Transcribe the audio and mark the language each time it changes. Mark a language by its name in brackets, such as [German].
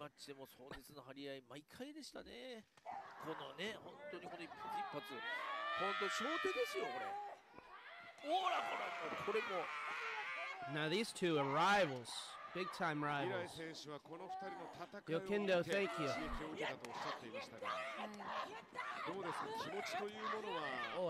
[Japanese] マッチでも壮絶な張り合い毎回でしたね。このね、本当にこの一発一発、本当焦点ですよこれ。ほらほら、これも。 [English] Now these two are rivals, big time rivals. [Japanese] 未来選手はこの二人の戦いを。 [English] Yo Kendo, thank you. [Japanese] どうですか、気持ちというものは。